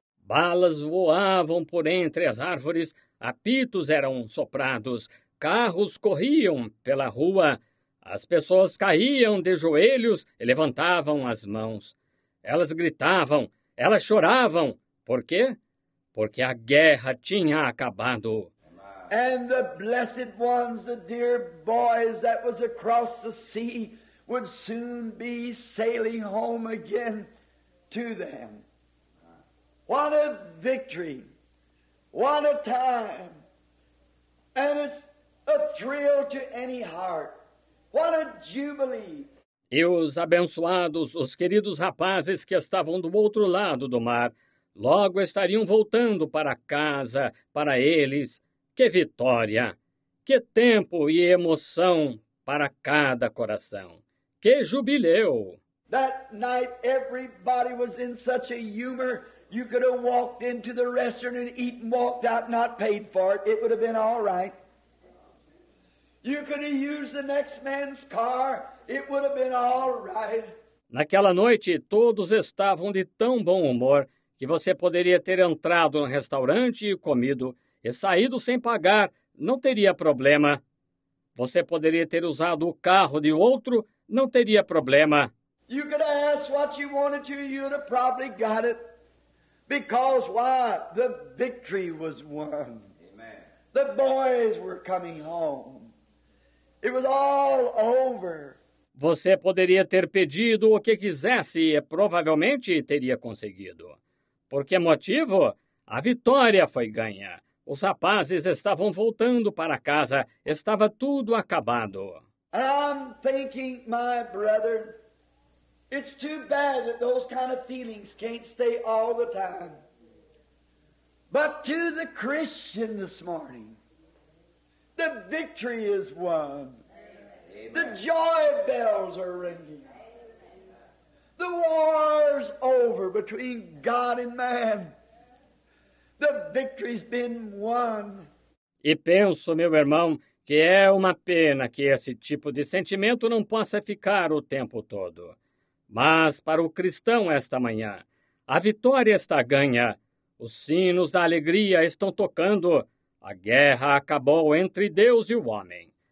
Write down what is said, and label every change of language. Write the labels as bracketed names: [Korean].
[Portuguese] Balas voavam por entre as árvores, apitos eram soprados, carros corriam pela rua, as pessoas caíam de joelhos e levantavam as mãos. Elas gritavam, elas choravam. Por quê? Porque a guerra tinha acabado. [English] And the blessed ones, the dear boys that was across the sea, would soon be sailing home again to them. What a victory. What a time. And it's a thrill to any heart. What a jubilee. [Portuguese] E os abençoados, os queridos rapazes que estavam do outro lado do mar, logo estariam voltando para casa, para eles. Que vitória! Que tempo e emoção para cada coração! Que jubileu! [English] That night everybody was in such a humor, you could have walked into the restaurant and eaten, walked out, not paid for it. It would have been all right. You could have used the next man's car. It would have been all right. [Portuguese] Naquela noite, todos estavam de tão bom humor que você poderia ter entrado no restaurante e comido e saído sem pagar. Não teria problema. Você poderia ter usado o carro de outro. Não teria problema. [English] You could have asked what you wanted to. You would have probably got it. Because why? The victory was won. Amen. The boys were coming home. It was all over. [Portuguese] Você poderia ter pedido o que quisesse e provavelmente teria conseguido. Por que motivo? A vitória foi ganha. Os rapazes estavam voltando para casa. Estava tudo acabado. [English] I'm thinking, my brother, it's too bad that those kind of feelings can't stay all the time. But to the Christian this morning, the victory is won. Amen. The joy bells are ringing. Amen. The war's over between God and man. The victory's been won. [Portuguese] E penso, meu irmão, que é uma pena que esse tipo de sentimento não possa ficar o tempo todo. Mas para o cristão esta manhã, a vitória está ganha. Os sinos da alegria estão tocando. A guerra acabou entre Deus e o homem.